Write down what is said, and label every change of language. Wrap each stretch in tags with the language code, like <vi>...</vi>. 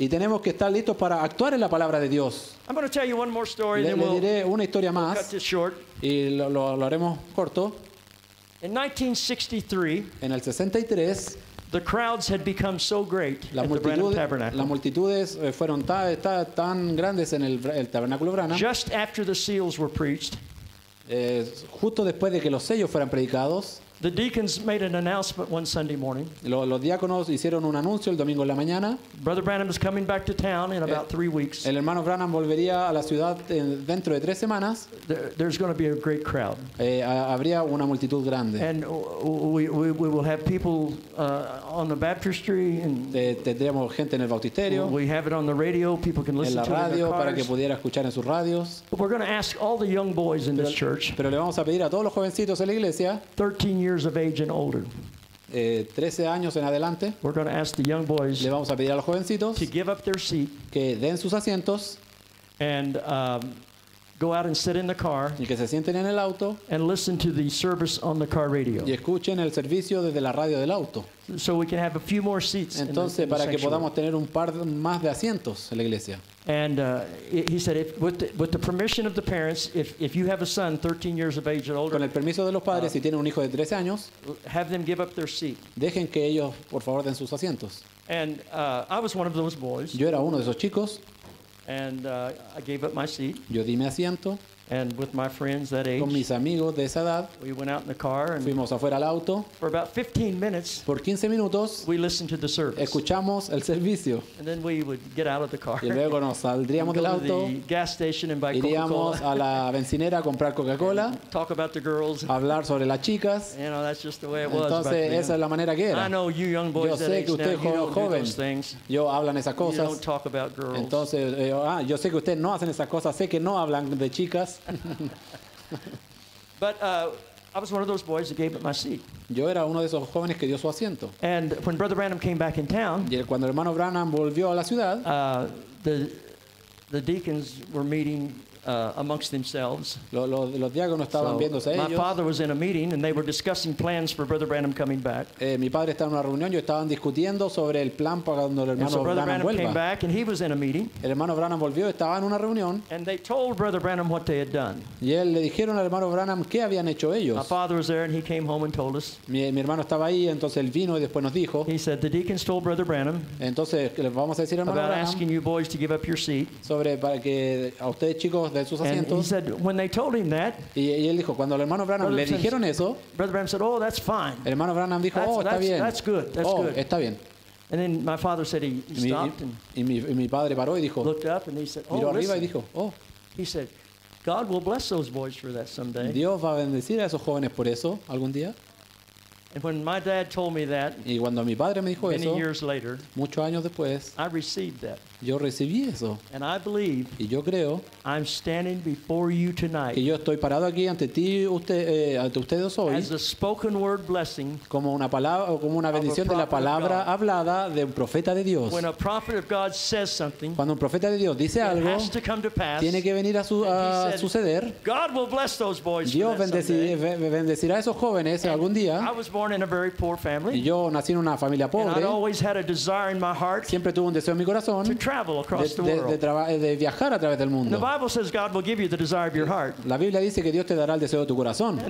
<es>Y tenemos que estar listos para actuar en la palabra de Dios.</es> <en>I'm going to tell you one more story.</en> <es>Le diré una historia más.</es> <en>We'll cut this short.</en> <es>Y lo haremos corto.</es> <en>In 1963.</en> <es>En el 63.</es> <en>The crowds had become so great at the Branham Tabernacle.</en> <es>Las multitudes fueron tan grandes en el tabernáculo Branham.</es> <en>Just after the seals were preached.</en> <es>Justo después de que los sellos fueran predicados.</es> <en>The deacons made an announcement one Sunday morning.</en> <es>Los diáconos hicieron un anuncio el domingo en la mañana.</es> <en>Brother Branham is coming back to town in about 3 weeks.</en> <es>El hermano Branham volvería a la ciudad dentro de 3 semanas.</es> <en>There's going to be a great crowd.</en> <es>Habría una multitud grande.</es> <en>And we will have people on the baptistry.</en> <es>Tendremos gente en el bautisterio.</es> <en>We have it on the radio. People can listen to it in their cars.</en> <es>En la radio para que pudiera escuchar en sus radios.</es> <en>But we're going to ask all the young boys in this church.</en> <es>Pero le vamos a pedir a todos los jovencitos en la iglesia.</es> <en>13 years of age and older.</en> <es>13 años en adelante.</es> <en>We're going to ask the young boys.</en> <es>Le vamos a pedir a los jovencitos</es> <en>to give up their seat.</en> <es>Que den sus asientos.</es> <en>And go out and sit in the car.</en> <es>Y que se sienten en el auto.</es> <en>And listen to the service on the car radio.</en> <es>Y escuchen el servicio desde la radio del auto.</es> <en>So we can have a few more seats.</en> <es>Entonces para que podamos tener un par más de asientos en la iglesia.</es> <en>And he said, with the permission of the parents, if you have a son 13 years of age or older,</en> <es>con el permiso de los padres, si tienen un hijo de 13 años,</es> <en>have them give up their seat.</en> <es>Dejen que ellos, por favor, den sus asientos.</es> <en>And I was one of those boys.</en> <es>Yo era uno de esos chicos.</es> <en>And I gave up my seat.</en> <es>Yo di mi asiento.</es> <en>And with my friends that age,</en> <es>con mis amigos de esa edad,</es> <en>we went out in the car and</en> <es>fuimos afuera al auto.</es> <en>For about 15 minutes,</en> <es>por 15 minutos,</es> <en>we listened to the service.</en> <es>Escuchamos el servicio.</es> <en>And then we would get out of the car.</en> <es>Y luego nos saldríamos del auto.</es> <en>Go to the gas station and buy Coca-Cola.</en> <es>Iríamos a la bencinera a comprar Coca-Cola.</es> <en>Talk about the girls.</en> <es>Hablar sobre las chicas.</es> <en>You know, that's just the way it</en> <es>Entonces,</es> <en>was.</en> <es>Entonces esa es la manera que era.</es> <en>I know you young boys</en> <es>yo sé</es> <en>that</en> <es>que usted</es> <en>now, you</en> <es>joven.</es> <en>Don't do those things.</en> <es>Yo hablan esas cosas.</es> <en>You don't talk about girls.</en> <es>Entonces yo sé que usted no hacen esas cosas. Sé que no hablan de chicas.</es> <en>But I was one of those boys that gave up my seat.</en> <es>Yo era uno de esos jóvenes que dio su asiento.</es> <en>And when Brother Branham came back in town,</en> <es>y cuando el hermano Branham volvió a la ciudad,</es> <en>the deacons were meeting amongst themselves.</en> <es>Los diáconos estaban</es> <en>so</en> <es>viéndose ellos.</es> <en>My father was in a meeting and they were discussing plans for Brother Branham coming back.</en> <es>Mi padre estaba en una reunión y estaban discutiendo sobre el plan para cuando el hermano</es> <en>so Branham</en> <es>vuelva.</es> <en>Came back and he was in a meeting.</en> <es>El hermano Branham volvió, estaba en una reunión.</es> <en>And they told Brother Branham what they had done.</en> <es>Y él le dijeron al hermano Branham qué habían hecho ellos.</es> <en>My father was there and he came home and told us.</en> <es>Mi hermano estaba ahí, entonces él vino y después nos dijo.</es> <en>He said the deacons told Brother Branham.</en> <es>Entonces le vamos a decir al hermano</es> <en>about</en> <es>Branham</es> <en>asking you boys to give up your seat.</en> <es>Sobre para que a ustedes chicos de sus asientos.</es> <en>And he said, when they told him that,</en> <es>y él dijo, cuando el hermano Branham le dijeron eso,</es> <en>Brother Branham said, oh, that's fine.</en> <es>El hermano Branham dijo,</es> <en>that's,</en> <es>oh, está bien.</es> <en>That's good. That's oh, good.</en> <es>Está bien.</es> <en>And then my father said he stopped</en> <es>y mi padre paró y dijo,</es> <en>looked up and he said, oh,</en> <es>miró arriba</es> <en>listen.</en> <es>Y dijo, oh.</es> <en>He said, God will bless those boys for that someday.</en> <es>Dios va a bendecir a esos jóvenes por eso algún día.</es> <en>And when my dad told me that,</en> <es>y cuando mi padre me dijo</es> <en>many</en> <es>eso,</es> <en>years later,</en> <es>muchos años después,</es> <en>I received that.</en> <es>Yo recibí eso.</es> <en>And I believe,</en> <es>y yo creo,</es> <en>I'm standing before you tonight,</en> <es>que yo estoy parado aquí ante ti, ante ustedes hoy,</es> <en>as a spoken word blessing,</en> <es>como una palabra, como una bendición de la palabra hablada de un profeta de Dios.</es> <en>When a prophet of God says something,</en> <es>cuando un profeta de Dios dice algo,</es> <en>it has to come to pass,</en> <es>tiene que venir a suceder.</es> <en>God will bless those boys</en> <es>Dios bendecirá a esos jóvenes</es> <en>and</en> <es>algún día.</es> <en>I was born in a very poor family,</en> <es>y yo nací en una familia pobre.</es> <en>And I always had a desire in my heart,</en> <es>siempre tuve un deseo en mi corazón.</es> <en>Travel across the world.</en> <es>De viajar a través del mundo.</es> <en>The Bible says God will give you the desire of your heart.</en> <es>La Biblia dice que Dios te dará el deseo de tu corazón.</es>